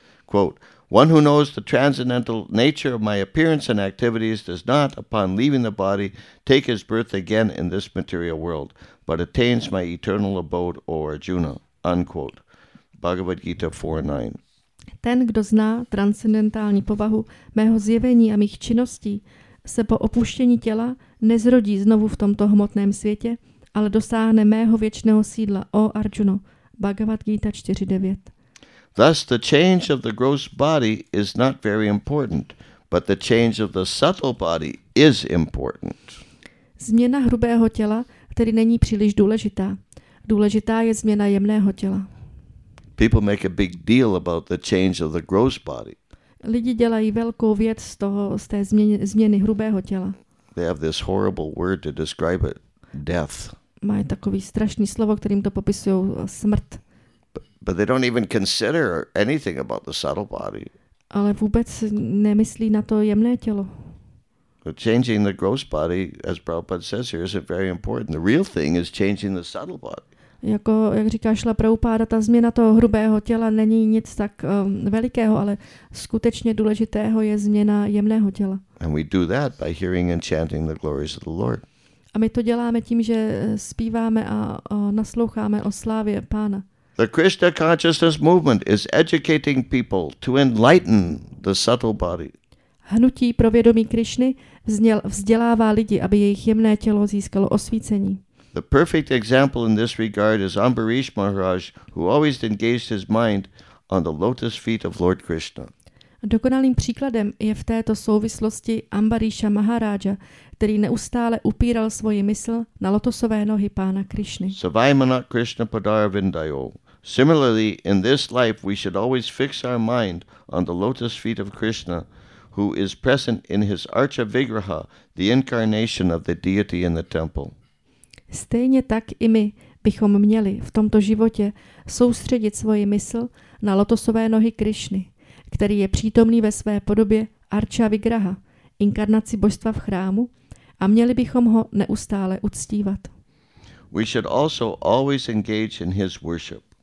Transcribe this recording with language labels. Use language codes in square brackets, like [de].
[en] Quote, one who knows the transcendental nature of my appearance and activities does not, upon leaving the body, take his birth again in this material world, but attains my eternal abode, O Arjuna. Unquote. Bhagavad Gita 4.9. [cs] Ten, kdo zná transcendentální povahu mého zjevení a mých činností, se po opuštění těla nezrodí znovu v tomto hmotném světě, ale dosáhne mého věčného sídla, O Arjuno. Bhagavad Gita 4.9. [en] Thus the change of the gross body is not very important, but the change of the subtle body is important. [cs] Změna hrubého těla tedy není příliš důležitá. Důležitá je změna jemného těla. [en] People make a big deal about the change of the gross body. [cs] Lidi dělají velkou věc z toho, z té změny hrubého těla. [en] They have this horrible word to describe it, death. [cs] Mají takový strašný slovo, kterým to popisují, smrt. [en] But they don't even consider anything about the subtle body. [cs] Ale vůbec nemyslí na to jemné tělo. [en] But changing the gross body, as Prabhupada says here, isn't very important. The real thing is changing the subtle body. [cs] Jako, jak říká Šrila Prabhupáda, ta změna toho hrubého těla není nic tak velikého, ale skutečně důležitého je změna jemného těla. [en] And we do that by hearing and chanting the glories of the Lord. [cs] A my to děláme tím, že zpíváme a nasloucháme o slávě Pána. [en] The Krishna consciousness movement is educating people to enlighten the subtle body. [cs] Hnutí pro vědomí Krišny vzdělává lidi, aby jejich jemné tělo získalo osvícení. [en] The perfect example in this regard is Ambarish Maharaj, who always engaged his mind on the lotus feet of Lord Krishna. [cs] Dokonalým příkladem je v této souvislosti Ambarisha Maharaja, který neustále upíral svoji mysl na lotosové nohy Pána Krišny. [sa] Savaimana Krishna Padara Vindayo. [en] Similarly, in this life we should always fix our mind on the lotus feet of Krishna, who is present in his Archa Vigraha, the incarnation of the deity in the temple. [cs] Stejně tak i my bychom měli v tomto životě soustředit svoji mysl na lotosové nohy Krišny, který je přítomný ve své podobě Archa Vigraha, inkarnaci božstva v chrámu, a měli bychom ho neustále uctívat. [en] We should also always engage in his worship.